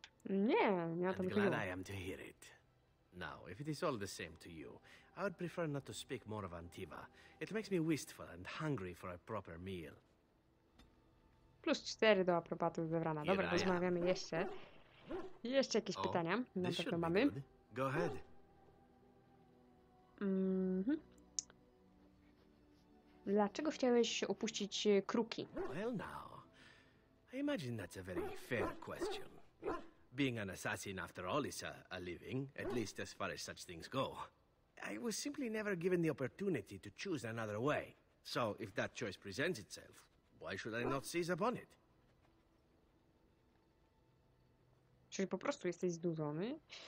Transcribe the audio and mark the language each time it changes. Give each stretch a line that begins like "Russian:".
English: I'm glad I am to hear it. Now, if it is all the same to you, I would prefer not to speak more of Antiva. It makes me wistful and hungry for a proper meal.
Polish: Plus 4 do aprobaty wybrana. Dobra, rozmawiamy jeszcze. Jeszcze jakieś pytania na pewno mamy.
English: Go ahead.
Polish: Dlaczego chciałeś opuścić kruki?
English: Well now, I imagine that's a very fair question. Being an assassin, after all, is a living, at least as far as such things go. I was simply never given the opportunity to choose another way. So, if that choice presents itself, why should I not seize upon it?
Polish: Czyli po prostu jesteś zdurzony?